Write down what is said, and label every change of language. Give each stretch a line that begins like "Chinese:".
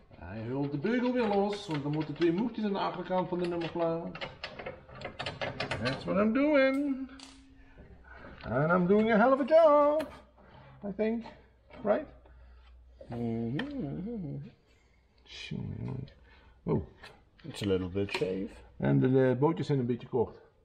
Dutch: Hij hult de beugel weer los, want dan moeten twee moekjes aan de achterkant van de nummerplaat.
English: That's what I'm doing. And I'm doing a hell of a job, I think. Right? Mm-hmm. Oh, it's a little bit shave.
Dutch: En de bootjes zijn een beetje kort.